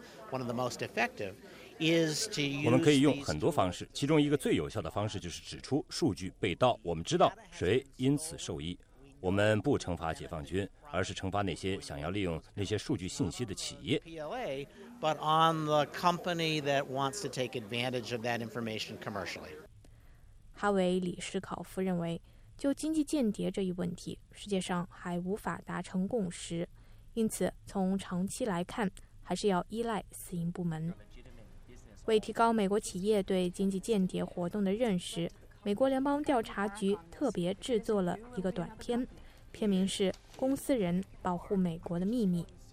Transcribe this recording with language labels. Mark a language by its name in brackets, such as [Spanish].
[Chinese] 我们可以用很多方式，其中一个最有效的方式就是指出数据被盗，我们知道谁因此受益。我们不惩罚解放军，而是惩罚那些想要利用那些数据信息的企业。 [English] But on the company that wants to take advantage of that information commercially. [Chinese] 哈维·李斯考夫认为，就经济间谍这一问题，世界上还无法达成共识，因此从长期来看，还是要依赖私营部门。为提高美国企业对经济间谍活动的认识，美国联邦调查局特别制作了一个短片，片名是《公司人保护美国的秘密》。